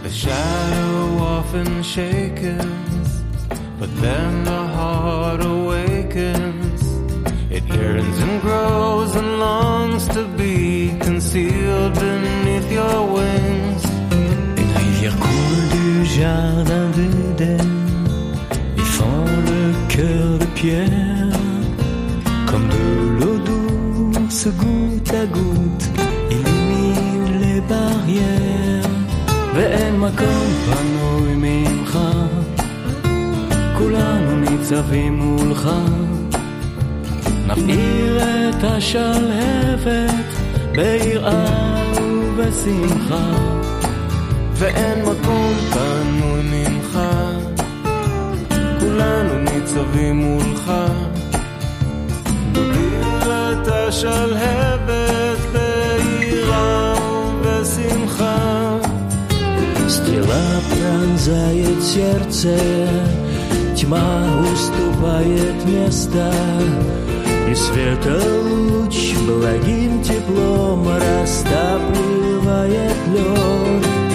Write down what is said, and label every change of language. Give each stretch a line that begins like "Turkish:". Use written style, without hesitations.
English: Shadow often shakens, but then the heart awakens. It yearns and grows and longs to be concealed beneath your wings.
French: Une rivière coule du jardin d'Eden, y fond le cœur de pierre. Comme de l'eau douce, goutte à goutte, illumine les barrières.
Hebrew: ואין מקום פנוי ממך, כולנו ניצבים מולך. נפעיל את השלהבת ביראה ובשמחה. ואין מקום פנוי ממך, כולנו ניצבים מולך. נפעיל את השלהבת ביראה ובשמחה.
Russian: Стрела пронзает сердце, тьма уступает место, и света луч благим теплом растапливает лед.